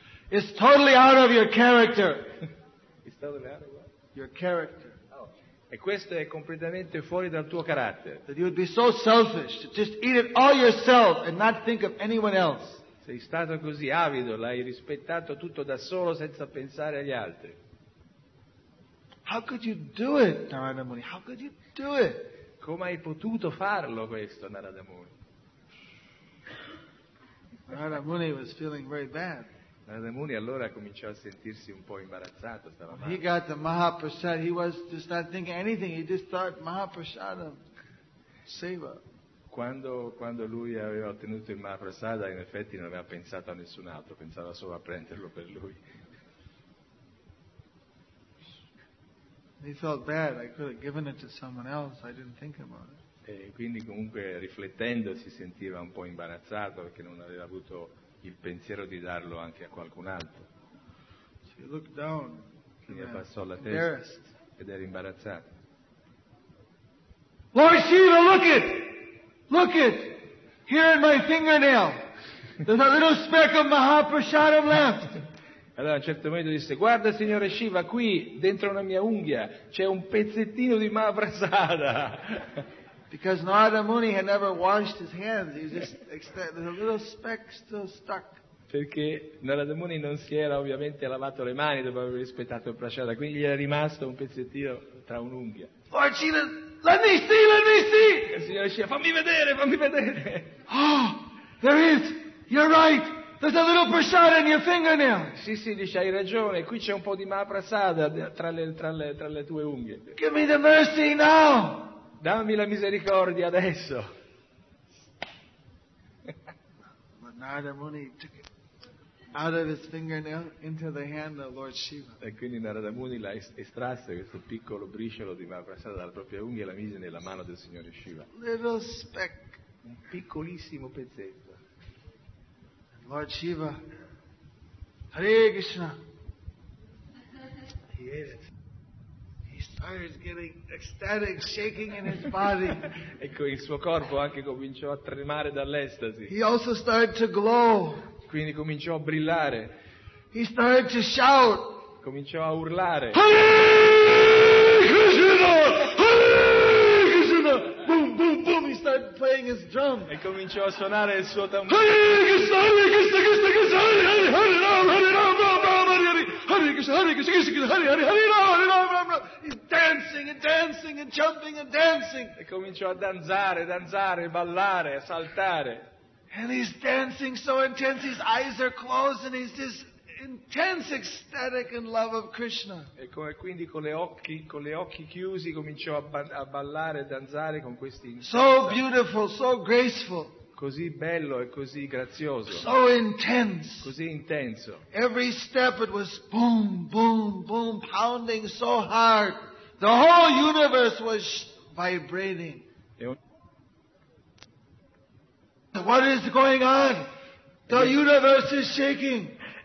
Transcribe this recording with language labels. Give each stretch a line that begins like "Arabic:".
English: It's totally out of your character. It's totally out of what? Your character. Oh.
Italian: E questo è completamente fuori dal tuo carattere.
English: That you would be so selfish to just eat it all yourself and not think of anyone else.
Italian: Sei stato così avido, l'hai rispettato tutto da solo senza pensare agli altri.
English: How could you do it, Narada Muni? How could you do it?
Italian: Come hai potuto farlo questo, Narada Muni?
English: Narada Muni was feeling very bad.
Italian: Narada Muni allora cominciò a sentirsi un po' imbarazzato. Stava male.
English: He got the Mahaprasad. He was just not thinking anything. He just thought Mahaprasadam, Seva.
Italian: Quando lui aveva ottenuto il Mahaprasada, in effetti non aveva pensato a nessun altro. Pensava solo a prenderlo per lui.
English: He felt bad. I could have given it to someone else. I didn't think about it.
Italian: E quindi comunque riflettendo si sentiva un po' imbarazzato perché non aveva avuto il pensiero di darlo anche a qualcun altro.
English: So he looked down,
Italian: quindi abbassò la testa ed era imbarazzato.
English: Lord Shiva, look it! Look it! Here in my fingernail! There's a little speck of Mahaprasadam left!
Italian: Allora a un certo momento disse, guarda signore Shiva, qui dentro una mia unghia c'è un pezzettino di Mahaprasada.
English: Because Narada Muni had never washed his hands, he just there's a little speck still stuck.
Italian: Perché Narada Muni non si era ovviamente lavato le mani dopo aver rispettato il prasada, quindi gli era rimasto un pezzettino tra un'unghia.
English: Lord Shiva, let me see!
Italian: E signore Shiva, fammi vedere!
English: Oh, there is, you're right! There's a little prasada in your fingernail.
Italian: Sì, dice, hai ragione, qui c'è un po' di Mahaprasada tra le tue unghie.
English: Give me the mercy now.
Italian: Dammi la misericordia adesso.
English: But Narada Muni took it out of his fingernail into the hand of Lord Shiva.
Italian: E quindi Narada Muni la estrasse questo piccolo briciolo di Mahaprasada dalla propria unghia e la mise nella mano del signore Shiva.
English: Little speck.
Italian: Un piccolissimo pezzetto.
English: Lord Shiva, Hare Krishna. He ate it. He started getting ecstatic, shaking in his body.
Italian: Ecco, il suo corpo anche cominciò a tremare dall'estasi.
English: He also started to glow.
Italian: Quindi cominciò a brillare.
English: He started to shout.
Italian: Cominciò a urlare.
Sanskrit: Hare Krishna! Hare Krishna! Boom, boom, boom!
English: He started playing his drum.
Italian: E cominciò a suonare il suo tamburo.
Sanskrit: Hare Krishna! Hare Krishna! Krishna Krishna! Hare Hare! Hare Rama! Hare Rama! Rama Rama! Hare Hare! Hare Krishna! Hare Krishna! Krishna Krishna! Hare Hare! Hare Rama! Hare Rama! Rama Rama!
English: He's dancing and dancing and jumping and dancing.
Italian: E cominciò a danzare, ballare, a saltare.
English: And he's dancing so intense, his eyes are closed, and he's just intense ecstatic and love of Krishna.
Italian: E quindi con le occhi chiusi cominciò a ballare e danzare con questi intensi.
English: So beautiful, so graceful.
Italian: Così bello e così grazioso.
English: So intense.
Italian: Così intenso.
English: Every step it was boom boom boom pounding so hard. The whole universe was vibrating. What is going on? The universe is shaking.